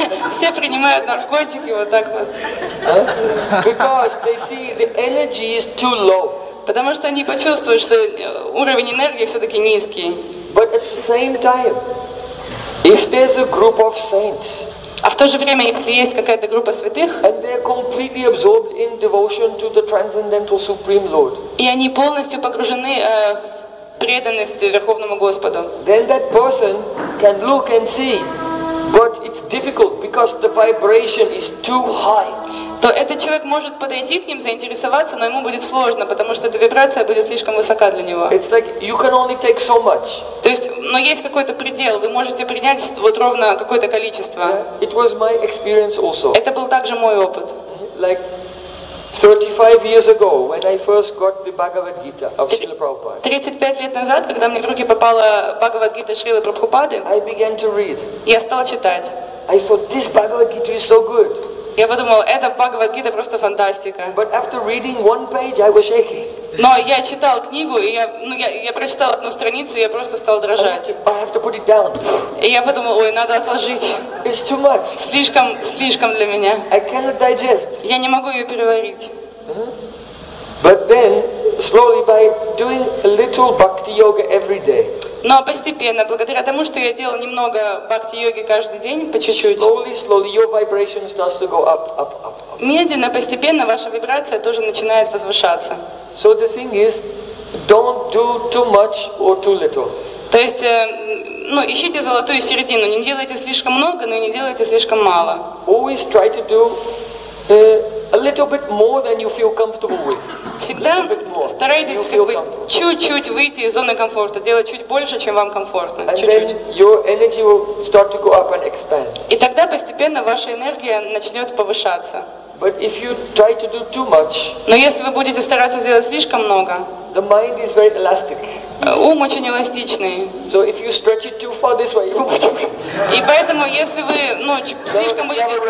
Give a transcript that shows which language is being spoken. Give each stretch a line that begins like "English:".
Russian: все принимают наркотики вот так вот.
English: Because they see the energy is too low.
Russian: Потому что они почувствуют, что уровень энергии все-таки низкий.
English: But at the same time, if there's a group of saints.
Russian: А в то же время, если есть какая-то группа святых,
English: and they're completely absorbed in devotion to the transcendental supreme lord.
Russian: И они полностью погружены преданности Верховному Господу.
English: Then that person can look and see, but it's difficult because the vibration is too high.
Russian: То этот человек может подойти к ним, заинтересоваться, но ему будет сложно, потому что эта вибрация будет слишком высока для него.
English: It's like you can only take so much.
Russian: То есть, но есть какой-то предел. Вы можете принять вот ровно какое-то количество.
English: It was my experience also.
Russian: Это был также мой опыт.
English: Like 35 years ago, when I first got the Bhagavad Gita of Srila Prabhupada.
Russian: 35 лет назад, когда мне в руки попала Бхагавад Гита Шрилы Прабхупады.
English: I began to read.
Russian: Я стала читать.
English: I thought this Bhagavad Gita is so good.
Russian: Я подумал, эта Бхагавад Гита просто фантастика.
English: But after reading one page, I was shaking.
Russian: Но я читал книгу и я прочитал одну страницу и я просто стал дрожать.
English: I have to put it down.
Russian: И я подумал, ой, надо отложить.
English: It's too much.
Russian: Слишком для меня.
English: I cannot digest.
Russian: Я не могу ее переварить.
English: But then, slowly by doing a little bhakti yoga every day.
Russian: Но постепенно, благодаря тому, что я делал немного бхакти йоги каждый день, по чуть-чуть.
English: Slowly, your vibration starts to go up, up, up.
Russian: Медленно, постепенно ваша вибрация тоже начинает возвышаться.
English: So the thing is, don't do too much or too little.
Russian: То есть, ищите золотую середину. Не делайте слишком много, но и не делайте слишком мало.
English: Always try to do a little bit more than you feel comfortable with.
Russian: всегда старайтесь как бы чуть-чуть выйти из зоны комфорта, делать чуть больше, чем вам комфортно. И тогда постепенно ваша энергия начнет повышаться.
English: But if you try to do too much,
Russian: но если вы будете стараться сделать слишком много,
English: the mind is very elastic.
Russian: Ум очень эластичный.
English: So if you stretch it too far this way,
Russian: и поэтому если вы слишком будете